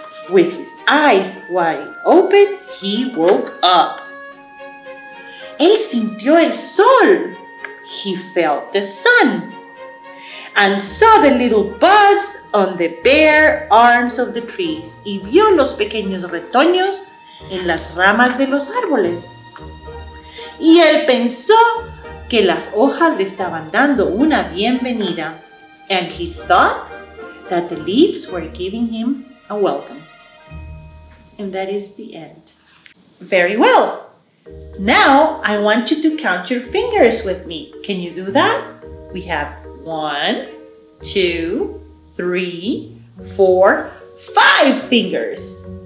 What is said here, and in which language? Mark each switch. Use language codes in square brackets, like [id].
[en] With his eyes wide open, he woke up. [es] Él sintió el sol. [en] He felt the sun. And saw the little buds on the bare arms of the trees. [es] Y vio los pequeños retoños en las ramas de los árboles. Y él pensó que las hojas le estaban dando una bienvenida. [en] And he thought that the leaves were giving him a welcome. And that is the end. Very well. Now, I want you to count your fingers with me. Can you do that? We have 1, 2, 3, 4, 5 fingers.